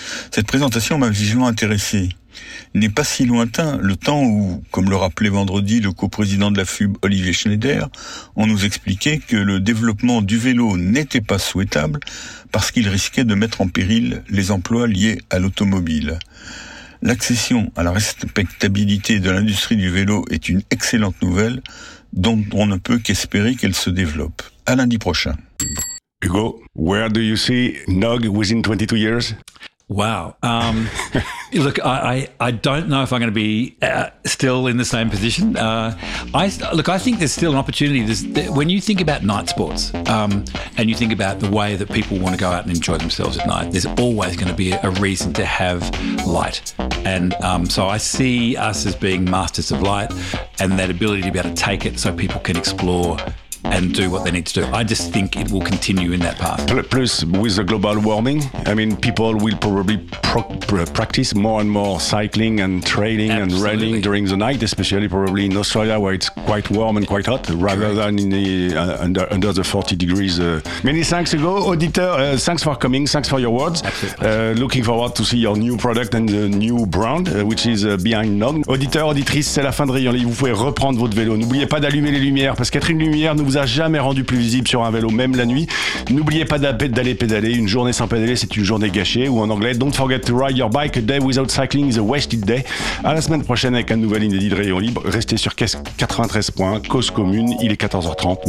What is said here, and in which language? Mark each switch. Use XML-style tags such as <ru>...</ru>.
<fr>Cette présentation m'a vivement intéressé. N'est pas si lointain le temps où, comme le rappelait vendredi le coprésident de la FUB, Olivier Schneider, on nous expliquait que le développement du vélo n'était pas souhaitable parce qu'il risquait de mettre en péril les emplois liés à l'automobile. L'accession à la respectabilité de l'industrie du vélo est une excellente nouvelle dont on ne peut qu'espérer qu'elle se développe. À lundi prochain.</fr> <en>Hugo, where do you see Knog within 22 years? Wow. look, I don't know if I'm going to be still in the same position. I think there's still an opportunity. When you think about night sports and you think about the way that people want to go out and enjoy themselves at night, there's always going to be a reason to have light. And so I see us as being masters of light and that ability to be able to take it so people can explore and do what they need to do. I just think it will continue in that path. Plus, with the global warming, I mean, people will probably practice more and more cycling and training and running during the night, especially probably in Australia, where it's quite warm and quite hot, rather than in the, under the 40 degrees. Many thanks, Hugo. Auditor, thanks for coming. Thanks for your words. Looking forward to see your new product and the new brand, which is behind Nog.</en> <fr>Auditeur, auditrice, c'est la fin de Rayon Libre. Vous pouvez reprendre votre vélo. N'oubliez pas d'allumer les lumières, parce qu'être une lumière ne vous a jamais rendu plus visible sur un vélo, même la nuit. N'oubliez pas d'aller pédaler. Une journée sans pédaler, c'est une journée gâchée. Ou en anglais,</fr> <en>don't forget to ride your bike. A day without cycling is a wasted day.</en> <fr>À la semaine prochaine avec un nouvel inédit de Rayon Libre. Restez sur Caisse 93.1, Cause Commune. Il est 14h30.</fr>